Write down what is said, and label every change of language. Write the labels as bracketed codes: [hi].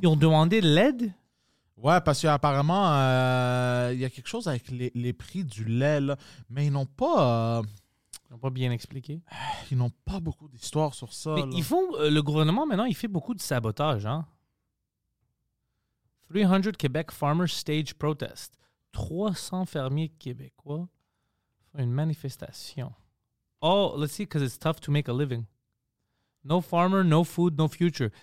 [fr] Ils ont demandé de l'aide? Ouais, parce qu'apparemment, il y a quelque chose avec les prix du lait, là. Mais ils n'ont pas... Ils n'ont pas bien expliqué. Ils n'ont pas beaucoup d'histoires sur ça. Mais là. Ils font... Le gouvernement, maintenant, il fait beaucoup de sabotage, hein? [en] 300 Quebec Farmers Stage Protest. [fr] 300 fermiers québécois font une manifestation. [en] Oh, let's see, because it's tough to make a living. No farmer, no food, no future.